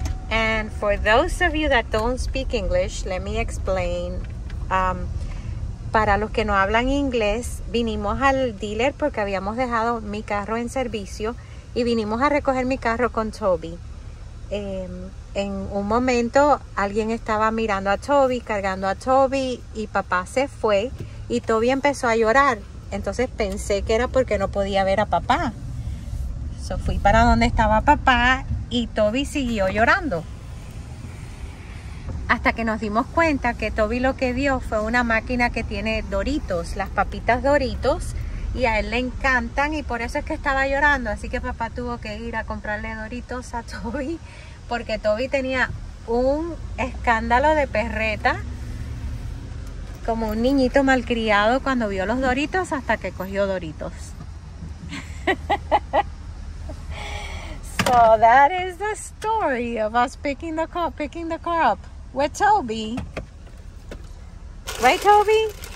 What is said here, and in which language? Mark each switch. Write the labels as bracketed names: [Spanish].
[English] And for those of you that don't speak English, let me explain. [Spanish] Para los que no hablan inglés, vinimos al dealer porque habíamos dejado mi carro en servicio. Y vinimos a recoger mi carro con Toby. En un momento, alguien estaba mirando a Toby, cargando a Toby, y Papá se fue. Y Toby empezó a llorar. Entonces pensé que era porque no podía ver a Papá. So fui para donde estaba Papá y Toby siguió llorando. Hasta que nos dimos cuenta que Toby lo que vio fue una máquina que tiene Doritos, las papitas Doritos. Y a él le encantan y por eso es que estaba llorando. Así que Papá tuvo que ir a comprarle Doritos a Toby. Porque Toby tenía un escándalo de perreta. como un niñito malcriado cuando vio los Doritos hasta que cogió Doritos. [English] So that is the story of us picking the car up with Toby. Right, Toby?